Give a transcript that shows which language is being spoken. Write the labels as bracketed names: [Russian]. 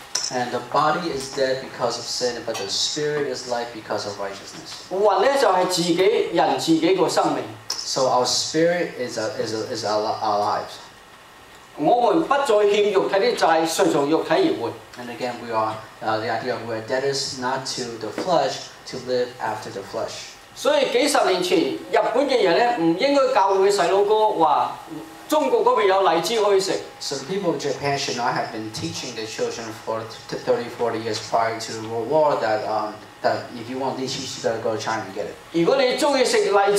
[English] And the body is dead because of sin, but the Spirit is life because of righteousness. [Chinese] 魂就是自己,人自己的生命。 [English] So our spirit is our lives. [Chinese] 我们不再欠肉体的债,顺从肉体而活。 [English] And again, we are the idea of we are debtors not to the flesh, to live after the flesh. [Chinese] 所以几十年前,日本的人不应该教他的小孩说,中国那边有荔枝可以吃。 [English] So the people of Japan should not have been teaching their children for 30, 40 years prior to the World War that that if you want these, you gotta go to China to get it.